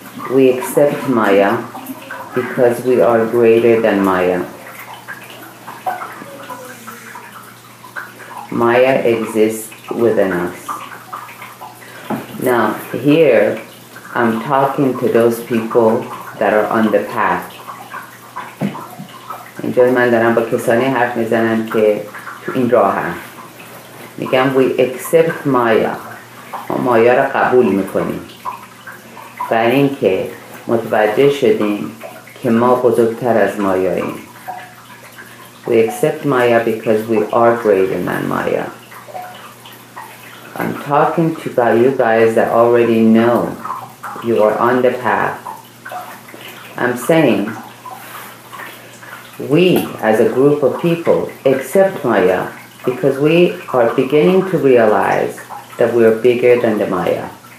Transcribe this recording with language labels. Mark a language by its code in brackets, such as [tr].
[en] We accept Maya because we are greater than Maya. Maya exists within us. Now, here, I'm talking to those people that are on the path. [fa] اینجا من دارم با کسانی حرف میزنم که تو این راه هم. میگم [en] we accept Maya، [fa] ما مایا را قبول میکنیم، برای این که متوجه شدیم که ما بزرگتر از مایاییم. [en] We accept Maya because we are greater than Maya. I'm talking to you guys that already know you are on the path. I'm saying we as a group of people accept Maya because we are beginning to realize that we are bigger than the Maya.